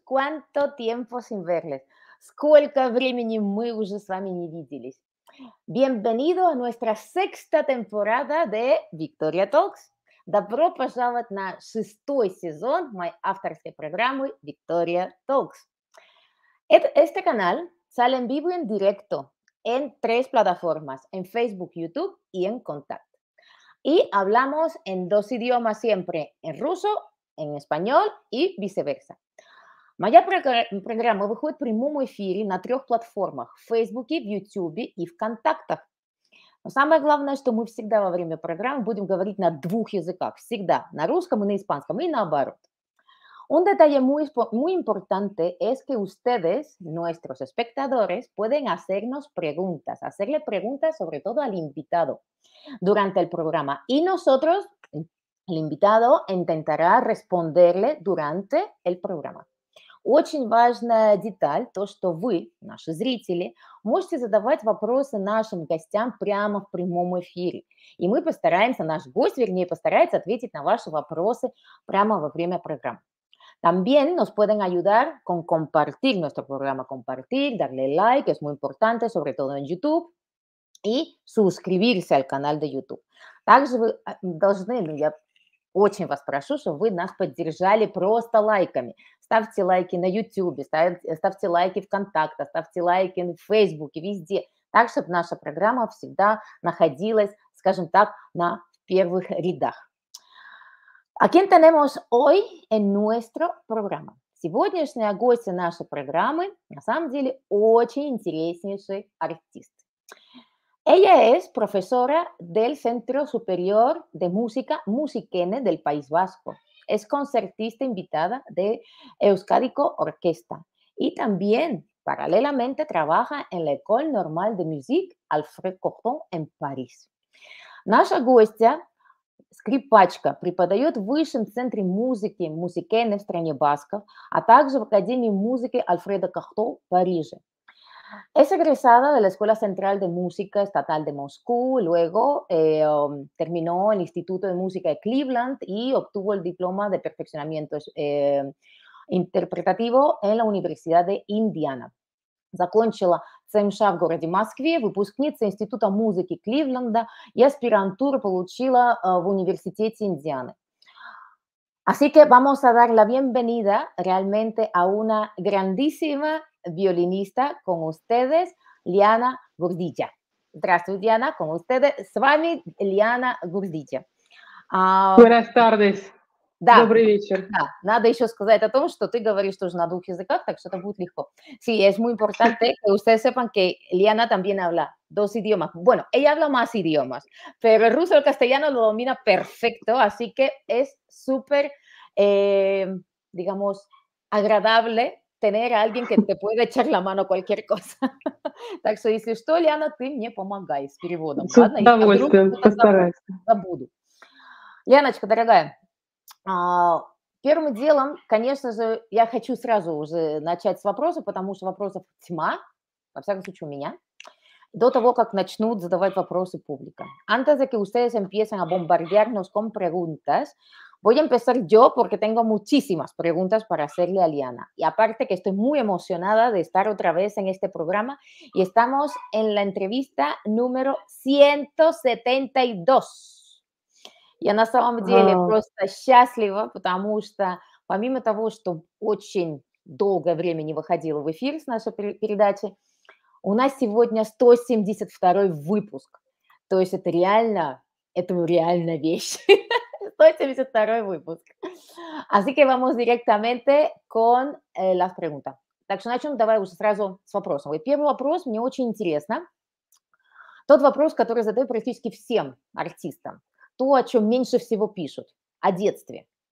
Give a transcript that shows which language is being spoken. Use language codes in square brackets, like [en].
[es] Cuánto tiempo sin verles! [ru] Сколько времени мы уже с вами не виделись! [es] Bienvenido a nuestra sexta temporada de Victoria Talks! [ru] Добро пожаловать на шестой сезон моей авторской программы Victoria Talks! [es] Este canal sale en vivo y en directo en tres plataformas, en Facebook, YouTube y en Contact. Y hablamos en dos idiomas siempre, en ruso, en español y viceversa. [ru] Моя программа выходит в прямом эфире на трех платформах – в Фейсбуке, в Ютубе и в Контактах. Но самое главное, что мы всегда во время программы будем говорить на двух языках. Всегда – на русском и на испанском, и наоборот. [es] Un detalle muy importante es que ustedes, nuestros espectadores, pueden hacernos preguntas, hacerle preguntas sobre todo al invitado durante el programa. Y nosotros, el invitado, intentará responderle durante el programa. [ru] Очень важная деталь, то, что вы, наши зрители, можете задавать вопросы нашим гостям прямо в прямом эфире. И мы постараемся, наш гость, вернее, постарается ответить на ваши вопросы прямо во время программы. [es] También nos pueden ayudar con compartir nuestro programa, compartir, darle like, es muy importante, sobre todo en YouTube, y suscribirse al canal de YouTube. [ru] Также вы должны, ну, я очень вас прошу, чтобы вы нас поддержали просто лайками. Ставьте лайки на YouTube, ставьте лайки ВКонтакте, ставьте лайки в Facebook, везде. Так, чтобы наша программа всегда находилась, скажем так, на первых рядах. [es] ¿A quién tenemos hoy en nuestro programa? [ru] Сегодняшняя гостья нашей программы, на самом деле, очень интереснейший артист. [es] Ella es profesora del Centro Superior de Música Musikene del País Vasco. Es concertista invitada de Euskadiko Orquesta. Y también, paralelamente, trabaja en la École Normale de Musique Alfred Cortot en París. [ru] Наша гостья... Скрипачка преподает в Высшем центре музыки Musikene в стране Басков, а также в Академии музыки Альфреда Кахто в Париже. [es] Es egresada de la Escuela Central de Música Estatal de Moscú, luego terminó el Instituto de Música de Cleveland y obtuvo el diploma de perfeccionamiento interpretativo en la Universidad de Indiana. [ru] Закончила ЦМШ в городе Москве, выпускница Института музыки Кливленда и аспирантуру получила в Университете Индианы. [es] Así que vamos a dar la bienvenida realmente a una grandísima violinista con ustedes, Liana Gurdija. [ru] Здравствуйте, Диана, [es] con ustedes, [ru] с вами Liana Gurdija. [es] Buenas tardes. [ru] Да. Добрый вечер. Да. Надо еще сказать о том, что ты говоришь тоже на двух языках, так что это будет легко. [es] Sí, es muy importante que ustedes sepan que Liana también habla dos idiomas. Bueno, ella habla más idiomas, pero el ruso y el castellano lo domina perfecto, así que es súper, digamos, agradable tener a alguien que te pueda echar la mano cualquier cosa. [ru] Так что, если что, Liana, ты мне помогай с переводом. С удовольствием, постараюсь. Забуду. Лианочка, дорогая, первым делом, конечно же, я хочу сразу уже начать с вопроса, потому что вопросов тьма, во всяком случае у меня, до того, как начнут задавать вопросы публика. [es] Antes de que ustedes empiecen a bombardearnos con preguntas, voy a empezar yo porque tengo muchísimas preguntas para hacerle a Liana. Y aparte que estoy muy emocionada de estar otra vez en este programa y estamos en la entrevista número 172. [ru] Я на самом деле просто счастлива, потому что помимо того, что очень долгое время не выходила в эфир с нашей передачи, у нас сегодня 172-й выпуск. То есть это реально вещь. 172-й выпуск. [es] Así que vamos directamente con las preguntas. [ru] Так что начнем давай уже сразу с вопросом. Первый вопрос мне очень интересно. Тот вопрос, который задаю практически всем артистам. То, о чем меньше всего пишут, о детстве.